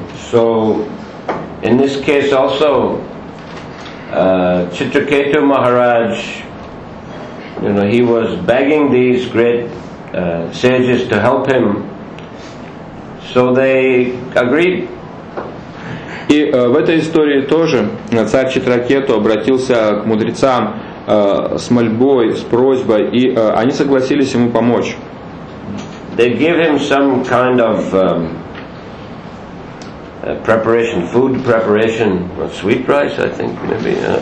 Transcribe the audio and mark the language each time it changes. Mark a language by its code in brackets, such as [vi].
[en] So, in this case also, Chitraketu Maharaj, you know, he was begging these great sages to help him. So they agreed. [ru] И в этой истории тоже царь Читракету обратился к мудрецам с мольбой, с просьбой, и они согласились ему помочь. [en] They gave him some kind of preparation, food preparation, sweet rice, I think, maybe.